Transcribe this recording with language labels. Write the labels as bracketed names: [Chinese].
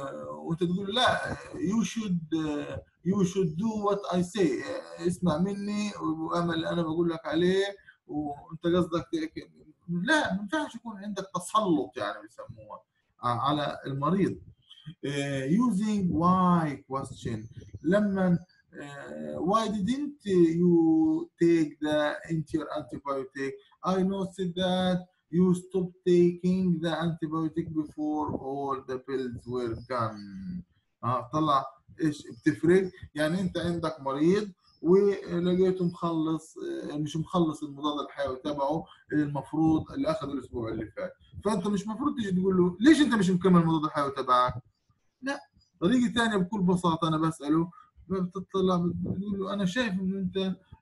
[Arabic] وانت تقول لا [English] you should do what I say، [Arabic] اسمع مني واعمل اللي انا بقول لك عليه وانت قصدك لا. ما ينفعش يكون عندك تسلط يعني بيسموه على المريض. [English] Using why question، [Arabic] لما [English] why didn't you take the into your antibiotic؟ I noticed that you stopped taking the antibiotic before all the pills were gone. [Arabic] طلع ايش بتفرق؟ يعني انت عندك مريض ولقيته مخلص مش مخلص المضاد الحيوي تبعه المفروض اللي اخذه الاسبوع اللي فات، فانت مش مفروض تيجي تقول له ليش انت مش مكمل المضاد الحيوي تبعك؟ لا، طريقة ثانية بكل بساطة انا بسأله، بتطلع بتقول له انا شايف ان انت